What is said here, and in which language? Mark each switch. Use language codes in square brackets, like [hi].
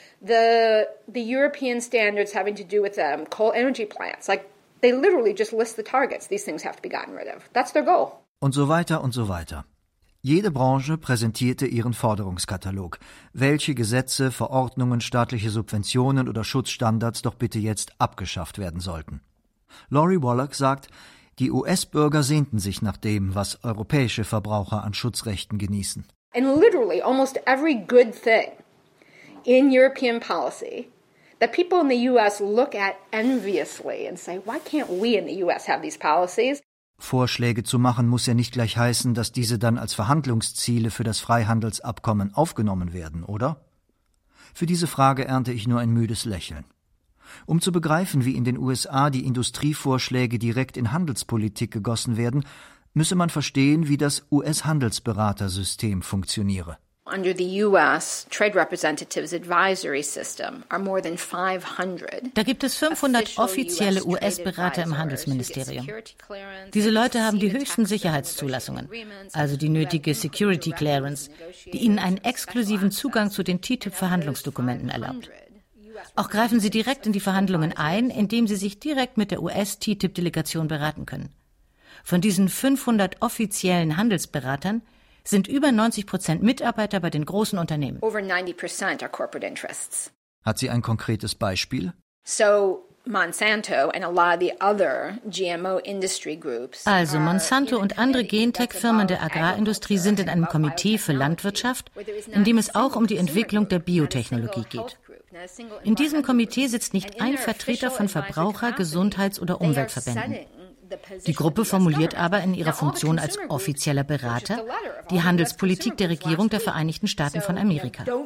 [en] The European standards having to do with coal energy plants, like they literally just list the targets. These things have to be gotten rid of. That's their goal. [de] Und so weiter und so weiter. Jede Branche präsentierte ihren Forderungskatalog, welche Gesetze, Verordnungen, staatliche Subventionen oder Schutzstandards doch bitte jetzt abgeschafft werden sollten. Lori Wallach sagt, die US-Bürger sehnten sich nach dem, was europäische Verbraucher an Schutzrechten genießen. [en] And literally almost every good thing in European policy that people in the US look at enviously and say, why can't we in the US have these policies? [de] Vorschläge zu machen muss ja nicht gleich heißen, dass diese dann als Verhandlungsziele für das Freihandelsabkommen aufgenommen werden, oder? Für diese Frage ernte ich nur ein müdes Lächeln. Um zu begreifen, wie in den USA die Industrievorschläge direkt in Handelspolitik gegossen werden, müsse man verstehen, wie das US-Handelsberatersystem funktioniere. [en] Under the US Trade Representatives Advisory System are more than 500. [de] Da gibt es 500 offizielle US-Berater im Handelsministerium. Diese Leute haben die höchsten Sicherheitszulassungen, also die nötige Security Clearance, die ihnen einen exklusiven Zugang zu den TTIP-Verhandlungsdokumenten erlaubt. Auch greifen sie direkt in die Verhandlungen ein, indem sie sich direkt mit der US-TTIP-Delegation beraten können. Von diesen 500 offiziellen Handelsberatern sind über 90% Mitarbeiter bei den großen Unternehmen. [en] Over 90% are corporate interests. [de] Hat sie ein konkretes Beispiel? [en] So Monsanto and a lot of the other GMO industry groups. [de] Also Monsanto und andere Gentech-Firmen der Agrarindustrie sind in einem Komitee für Landwirtschaft, in dem es auch um die Entwicklung der Biotechnologie geht. In diesem Komitee sitzt nicht ein Vertreter von Verbraucher-, Gesundheits- oder Umweltverbänden. Die Gruppe formuliert aber in ihrer Funktion als offizieller Berater die Handelspolitik der Regierung der Vereinigten Staaten von Amerika.